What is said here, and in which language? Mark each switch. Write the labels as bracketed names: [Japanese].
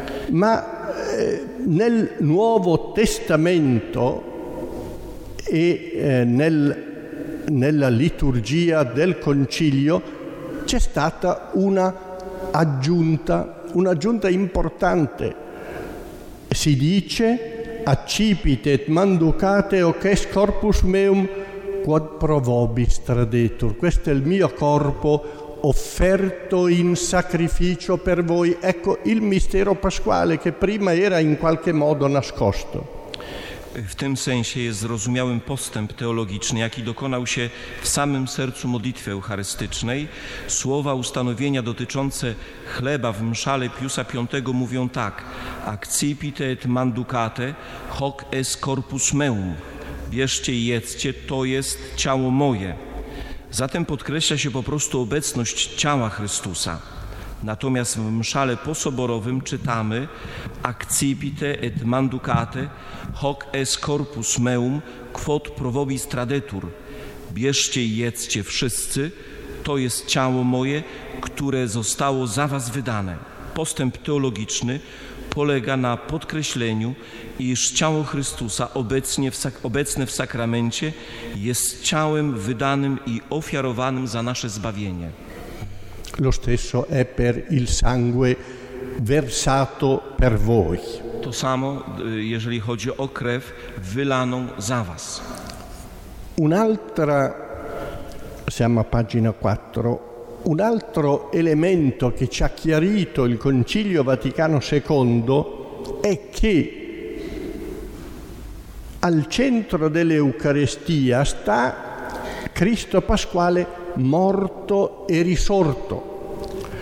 [Italian] Ma nel Nuovo Testamento e nella liturgia del Concilio c'è stata un'aggiunta importante. Si dice [Latin] accipit et manducate hoc est corpus meum quod pro vobis tradetur. [Italian] Questo è il mio corpo offerto in sacrificio per voi. Ecco il mistero pasquale che prima era in qualche modo nascosto. [Polish] W tym sensie jest zrozumiałym postęp teologiczny, jaki dokonał się w samym sercu modlitwy eucharystycznej. Słowa ustanowienia dotyczące chleba w mszale Piusa V mówią tak: [Latin] accipite et manducate hoc est corpus meum. [Polish] Bierzcie i jedzcie, to jest ciało moje. Zatem podkreśla się po prostu obecność ciała Chrystusa. Natomiast w mszale posoborowym czytamy [Latin] accipite et manducate hoc est corpus meum quod pro vobis tradetur. [Polish] Bierzcie i jedzcie wszyscy, to jest ciało moje, które zostało za was wydane. Postęp teologiczny polega na podkreśleniu, iż ciało Chrystusa obecne w sakramencie jest ciałem wydanym i ofiarowanym za nasze zbawienie. [Italian] Lo stesso è per il sangue versato per voi. [Polish] To samo, jeżeli chodzi o krew wylaną za was. [Italian] Un'altra, siamo a pagina 4, un altro elemento che ci ha chiarito il Concilio Vaticano II è che al centro dell'Eucarestia sta Cristo Pasquale morto e risorto.